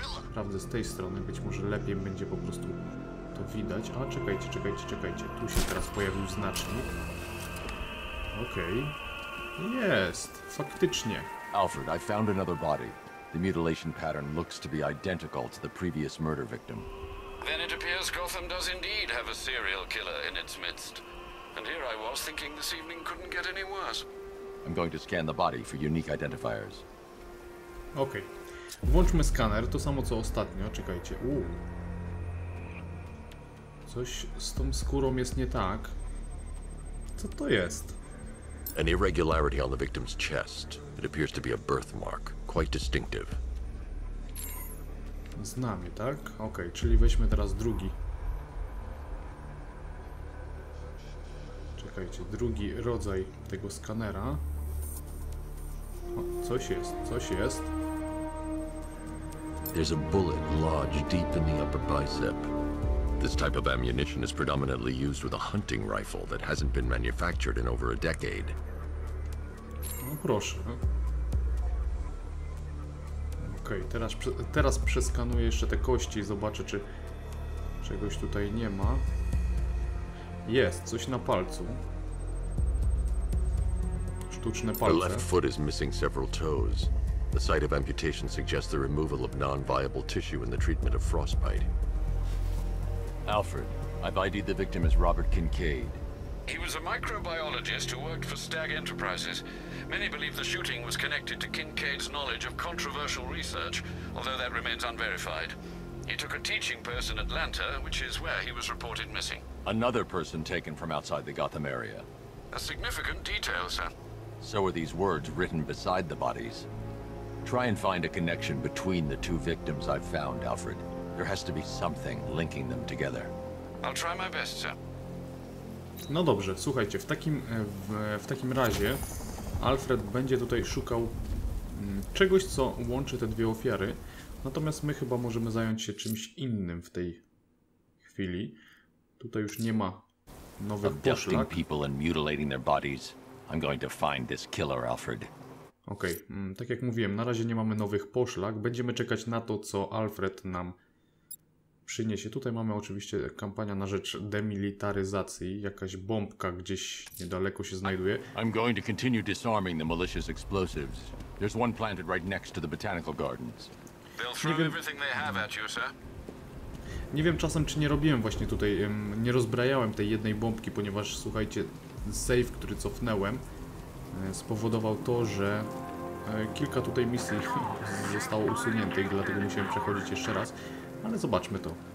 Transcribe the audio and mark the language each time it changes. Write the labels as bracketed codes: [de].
[pl] Sprawdzę z tej strony, być może lepiej będzie po prostu to widać. A czekajcie, czekajcie, czekajcie. Tu się teraz pojawił znacznik. Okej. Okay. Jest, faktycznie. [en] Alfred, I found another body. The mutilation pattern looks to be identical to the previous murder victim. Then it appears Gotham does indeed have a serial killer in its midst. And here I was thinking this evening couldn't get any worse. I'm going to scan the body for unique identifiers. [pl] Okej. Okay. Włączmy skaner, to samo co ostatnio, czekajcie. Coś z tą skórą jest nie tak. Co to jest? [en] An irregularity on the victim's chest. It appears to be a birthmark, quite distinctive. [pl] Znamie, tak? Okej, okay, czyli weźmy teraz drugi. Czekajcie, drugi rodzaj tego skanera. O, coś jest, coś jest. [en] There's a bullet lodged deep in the upper bicep. This type of ammunition is predominantly used with a hunting rifle that hasn't been manufactured in over a decade. [pl] No proszę. Okej, teraz przeskanuję jeszcze te kości i zobaczę, czy czegoś tutaj nie ma. Jest, coś na palcu. Sztuczne palce. [en] The left foot is missing several toes. The site of amputation suggests the removal of non-viable tissue in the treatment of frostbite. Alfred, I've ID'd the victim as Robert Kincaid. He was a microbiologist who worked for Stagg Enterprises. Many believe the shooting was connected to Kincaid's knowledge of controversial research, although that remains unverified. He took a teaching post in Atlanta, which is where he was reported missing. Another person taken from outside the Gotham area. A significant detail, sir. So are these words written beside the bodies. Try and find a connection between the two victims I've found, Alfred. There has to be something linking them together. I'll try my best, sir. [pl] No dobrze, słuchajcie, w takim razie Alfred będzie tutaj szukał czegoś, co łączy te dwie ofiary. Natomiast my chyba możemy zająć się czymś innym w tej chwili. Tutaj już nie ma nowych poszlak. [en] Abducting people and mutilating their bodies. I'm going to find this killer, Alfred. [pl] Okej, okay. Tak jak mówiłem, na razie nie mamy nowych poszlak. Będziemy czekać na to, co Alfred nam przyniesie. Tutaj mamy oczywiście kampania na rzecz demilitaryzacji. Jakaś bombka gdzieś niedaleko się znajduje. [en] I'm going to continue disarming the malicious explosives. There's one planted right next to the botanical gardens. They'll throw everything they have at you, sir. [pl] Nie wiem czasem, czy nie robiłem właśnie tutaj, nie rozbrajałem tej jednej bombki, ponieważ słuchajcie, save, który cofnąłem, spowodował to, że kilka tutaj misji zostało usuniętych, dlatego musiałem przechodzić jeszcze raz, ale zobaczmy to.